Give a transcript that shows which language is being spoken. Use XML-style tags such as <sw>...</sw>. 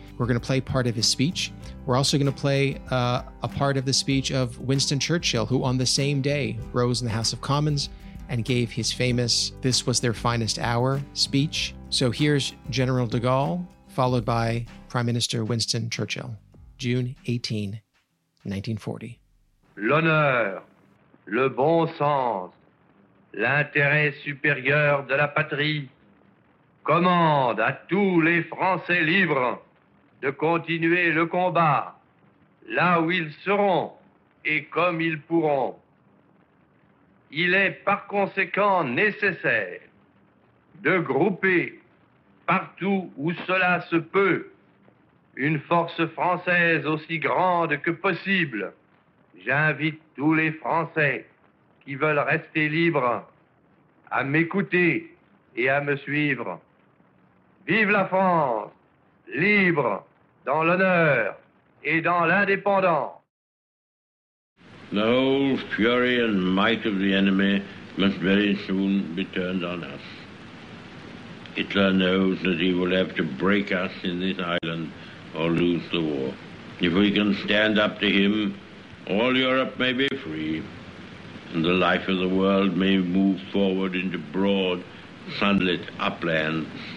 <en>We're going to play part of his speech. We're also going to play a part of the speech of Winston Churchill, who on the same day rose in the House of Commons and gave his famous "This was their finest hour" speech. So here's General de Gaulle, followed by Prime Minister Winston Churchill, June 18, 1940.</en> <fr>L'honneur, le bon sens, l'intérêt supérieur de la patrie commande à tous les Français libres de continuer le combat là où ils seront et comme ils pourront. Il est par conséquent nécessaire de grouper partout où cela se peut, une force française aussi grande que possible. J'invite tous les Français qui veulent rester libres à m'écouter et à me suivre. Vive la France, libre dans l'honneur et dans l'indépendance.</fr> <en>The whole fury and might of the enemy must very soon be turned on us. Hitler knows that he will have to break us in this island or lose the war. If we can stand up to him, all Europe may be free, and the life of the world may move forward into broad, sunlit uplands.</en>